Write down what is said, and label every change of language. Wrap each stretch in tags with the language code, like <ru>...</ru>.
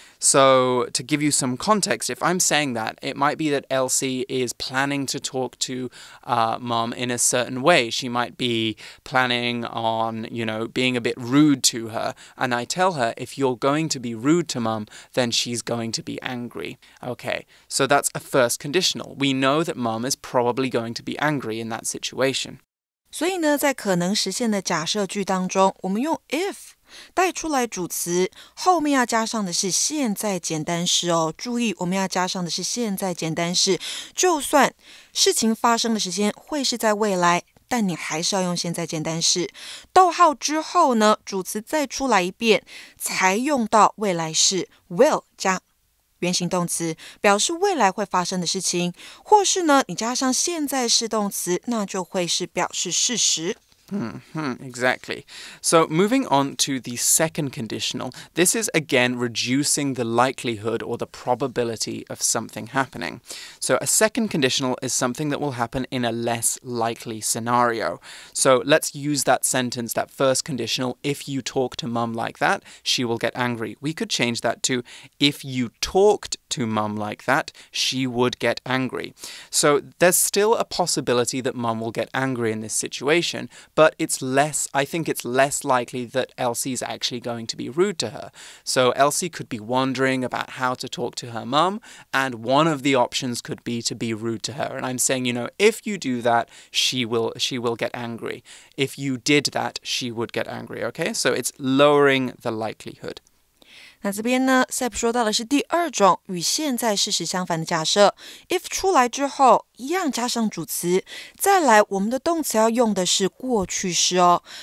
<en>So to give you some context, if I'm saying that, it might be that Elsie is planning to talk to mom in a certain way. She might be planning on, you know, being a bit rude to her. And I tell her, if you're going to be rude to mom, then she's going to be angry. Okay, so that's a first conditional. We know that mom is probably going to be angry in that situation.</en> <zh>所以呢，在可能实现的假设句当中，我们用 if 带出来主词，后面要加上的是现在简单式哦。注意，我们要加上的是现在简单式，就算事情发生的时间会是在未来，但你还是要用现在简单式。逗号之后呢，主词再出来一遍，才用到未来式 will 加原形动词，表示未来会发生的事情，或是呢，你加上现在式动词，那就会是表示事实。</zh> <en>Exactly. So moving on to the second conditional, this is again reducing the likelihood or the probability of something happening. So a second conditional is something that will happen in a less likely scenario. So let's use that sentence, that first conditional, if you talk to mum like that, she will get angry. We could change that to, if you talked to mum like that, she would get angry. So there's still a possibility that mum will get angry in this situation, but it's less likely that Elsie's actually going to be rude to her. So Elsie could be wondering about how to talk to her mum, and one of the options could be to be rude to her. And I'm saying, you know, if you do that, she will get angry. If you did that, she would get angry, okay? So it's lowering the likelihood.</en> <zh>那这边呢 ,Sep 说到的是第二种与现在事实相反的假设。 If 出来之后一样加上主词，再来我们的动词要用的是过去式哦。</zh>